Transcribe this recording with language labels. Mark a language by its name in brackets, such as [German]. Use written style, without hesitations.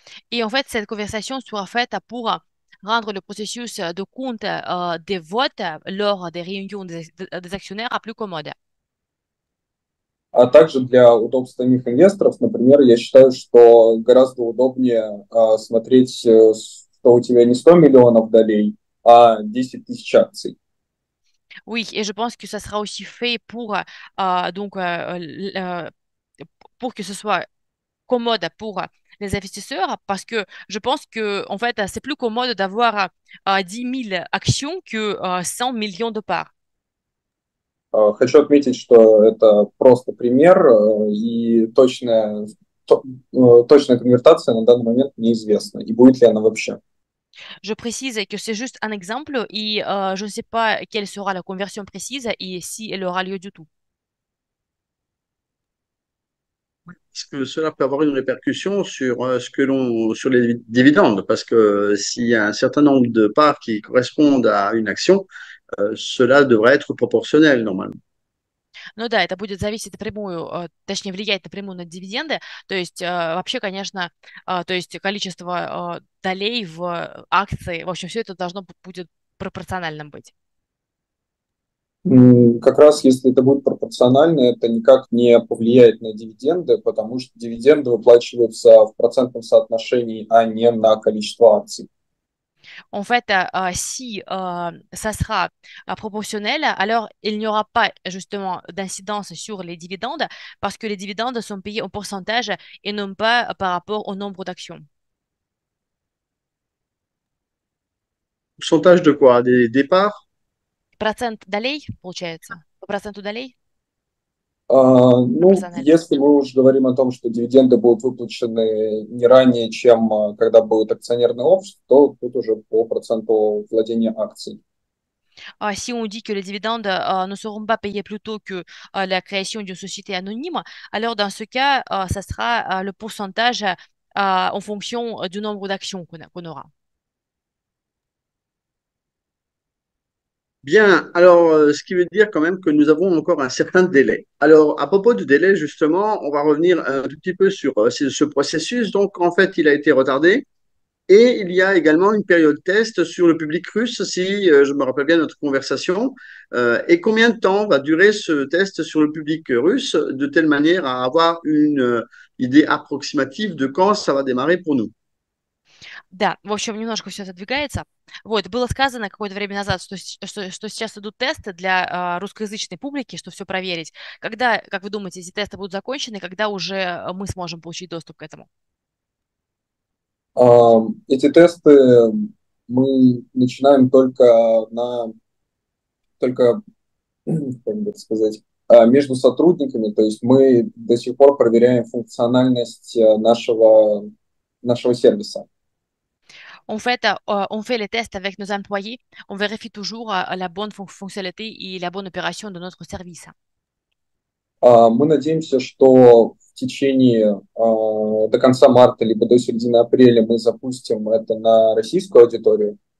[French] Et en fait, cette conversation sera faite pour rendre le processus de compte des votes lors des réunions des actionnaires plus commode. [Russian] А также для удобства самих инвесторов, например, я считаю, что гораздо удобнее смотреть, что у тебя не 100 миллионов долей, а 10 тысяч акций. [French] Oui, et je pense que ça sera aussi fait pour pour que ce soit commode pour les investisseurs, parce que je pense que en fait c'est plus commode d'avoir 10 000 actions que 100 millions de parts. [Russian] Хочу отметить, что это просто пример, и точная конвертация на данный момент неизвестна, и будет ли она вообще. [French] Je précise que c'est juste un exemple et je ne sais pas quelle sera la conversion précise et si elle aura lieu du tout. Est-ce que cela peut avoir une répercussion sur les dividendes? Parce que s'il y a un certain nombre de parts qui correspondent à une action, cela devrait être proportionnel normalement. [Russian] Ну да, это будет зависеть напрямую, точнее, влиять напрямую на дивиденды. То есть, вообще, конечно, то есть количество, долей в акции, в общем, все это должно будет пропорциональным быть. Как раз если это будет пропорционально, это никак не повлияет на дивиденды, потому что дивиденды выплачиваются в процентном соотношении, а не на количество акций. [French] En fait, si ça sera proportionnel, alors il n'y aura pas justement d'incidence sur les dividendes parce que les dividendes sont payés en pourcentage et non pas par rapport au nombre d'actions. Pourcentage de quoi? Des départs? [Russian] Процент долей, получается. По проценту долей Ну, пропорционально. если мы уже говорим о том, что дивиденды будут выплачены не ранее, чем когда будет акционерное общество, то тут уже по проценту владения акций. [French] Si on dit que les dividendes ne seront пas payés plus tôt que la création d'une société anonyme, alors dans ce cas, ça sera le pourcentage en fonction du nombre d'actions qu'on aura. Bien, alors ce qui veut dire quand même que nous avons encore un certain délai. Alors à propos du délai, justement, on va revenir un tout petit peu sur ce processus. Donc en fait, il a été retardé et il y a également une période test sur le public russe, si je me rappelle bien notre conversation. Et combien de temps va durer ce test sur le public russe de telle manière à avoir une idée approximative de quand ça va démarrer pour nous? [Russian] Да, в общем, немножко все отодвигается. Вот, было сказано какое-то время назад, что сейчас идут тесты для русскоязычной публики, чтобы все проверить. Когда, как вы думаете, эти тесты будут закончены, когда уже мы сможем получить доступ к этому? Эти тесты мы начинаем только, как бы сказать, между сотрудниками, то есть мы до сих пор проверяем функциональность нашего сервиса. [French] En fait, on fait les tests avec nos employés. On vérifie toujours la bonne fonctionnalité et la bonne opération de notre service. [Russian] Мы надеемся, что в течение до конца марта, либо до середины апреля мы запустим это на российскую аудиторию.